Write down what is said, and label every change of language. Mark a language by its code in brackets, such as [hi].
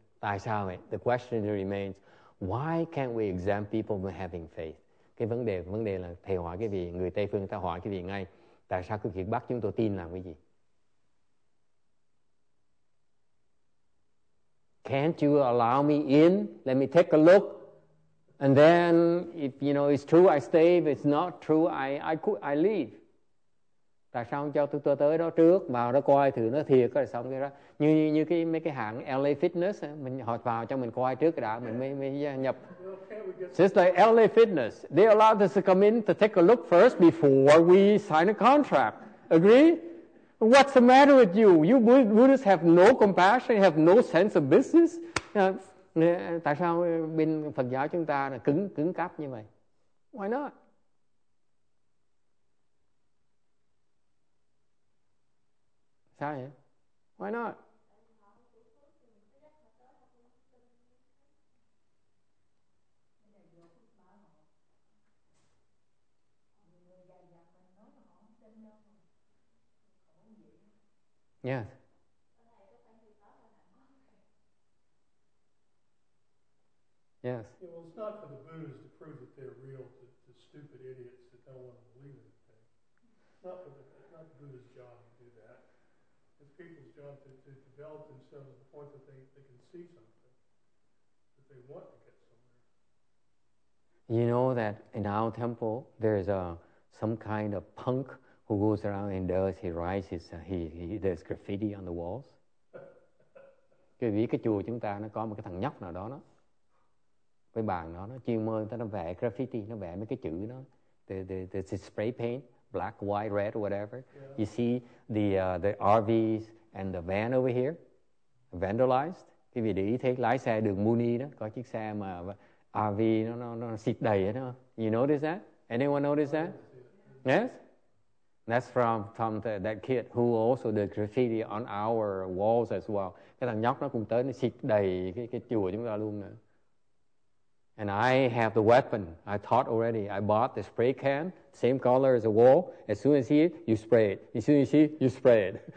[vi] Tại sao vậy? [en] The question remains, why can't we exempt people from having faith? [vi] Cái vấn đề là thầy hỏi cái gì, người Tây phương ta hỏi cái gì ngay, tại sao cứ kiện bắt chúng tôi tin làm cái gì? [en] Can't you allow me in? Let me take a look. And then, if you know it's true, I stay. If it's not true, I leave. [vi] Tại sao không cho tôi tới đó trước, vào đó coi thử nó thiệt rồi xong cái đó. Như cái mấy cái hãng LA Fitness, mình họ vào cho mình coi trước cái đã, mình mới gia nhập. [en] Like LA Fitness, they allow us to come in to take a look first before we sign a contract. Agree? What's the matter with you? You Buddhists have no compassion, have no sense of business. [vi] Tại sao bên Phật giáo chúng ta là cứng cáp như vậy? [en] Why not? [vi] Sao vậy? [en] Why not? Yes. Yes. Yeah, well, it's not for the Buddhists to prove that they're real to the stupid idiots that don't want to believe anything. It's not the Buddha's job to do that. It's people's job to develop themselves to the point that they can see something, that they want to get somewhere. You know that in our temple, there's some kind of punk who goes around and does, he writes, there's graffiti on the walls. [vi] Cái vì cái chùa chúng ta nó có một cái thằng nhóc nào đó nó, cái bàn đó nó chuyên môn, nó vẽ graffiti, nó vẽ mấy cái chữ nó, [en] the spray paint, black, white, red, whatever. Yeah. You see the RVs and the van over here, vandalized. [vi] Cái vì để ý thấy lái xe đường Muni đó, có chiếc xe mà RV nó xịt đầy đó. [en] You notice that? Anyone notice that? Yes? That's from that kid who also did graffiti on our walls as well. [vi] Cái thằng nhóc nó cũng tới nó xịt đầy cái chùa chúng ta luôn nữa. [en] And I have the weapon. I taught already. I bought the spray can, same color as the wall. As soon as you see it, you spray it. As soon as you see it, you spray it.